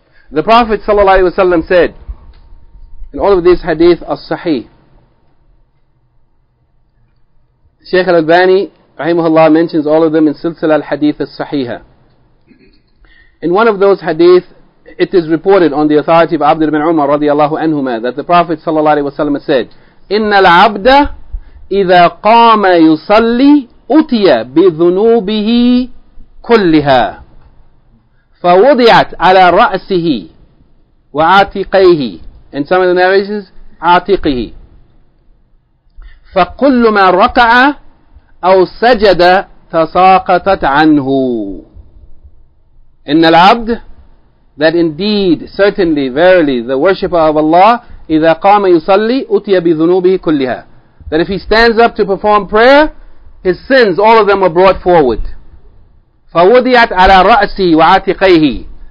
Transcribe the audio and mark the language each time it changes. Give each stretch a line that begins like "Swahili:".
English: The Prophet sallallahu alaihi wasallam said in all of these hadith as-Saheehah, Shaykh al-Albani rahimahullah mentions all of them in Silsilah al-Hadith as-Saheehah. In one of those hadith, it is reported on the authority of Abdur-Ra'uf Shakir radiyallahu anhuma that the Prophet sallallahu alaihi wasallam said,
Arabic: "Innal 'abda إذا قام يصلي أتي بذنوبه كلها فوضعت على رأسه وعاتقيه.
English: In some of the narrations, عاتقه.
Arabic: فكل ما ركع أو سجد تساقطت عنه. إن العبد,
English: that indeed, certainly, verily, the worshipper of Allah,
Arabic: إذا قام يصلي أتي بذنوبه كلها.
English: That if he stands up to perform prayer, his sins, all of them were brought forward.
Arabic: فَوُضِيَتْ عَلَى رَأْسِي وَعَاتِقَيْهِ.